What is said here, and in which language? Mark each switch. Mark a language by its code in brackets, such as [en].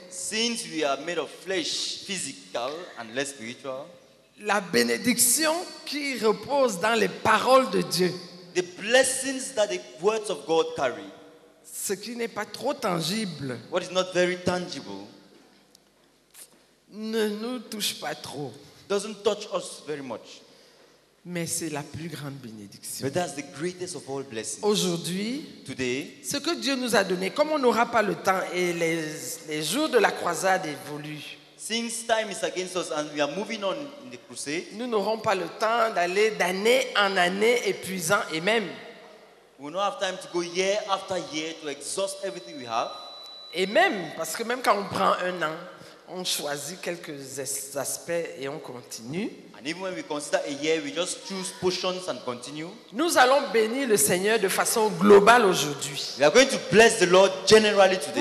[en] since we are made of flesh, physical and less spiritual, [fr] la bénédiction qui repose dans les paroles de Dieu, [en] the blessings that the words of God carry, [fr] ce qui n'est pas trop tangible, [en] what is not very tangible, [fr] ne nous touche pas trop, [en] doesn't touch us very much, [fr] mais c'est la plus grande bénédiction. [en] But that's the greatest of all blessings. [fr] Aujourd'hui, [en] today, [fr] ce que Dieu nous a donné, comme on n'aura pas le temps et les jours de la croisade évoluent. [en] Since time is against us and we are moving on in the crusade, [fr] nous n'aurons pas le temps d'aller d'année en année épuisant et même. [en] We don't have time to go year after year to exhaust everything we have. [fr] Et même, parce que même quand on prend un an, on choisit quelques aspects et on continue. [en] And even when we consider a year, we just choose portions and continue. [fr] Nous allons bénir le Seigneur de façon globale aujourd'hui. [en] We are going to bless the Lord generally today.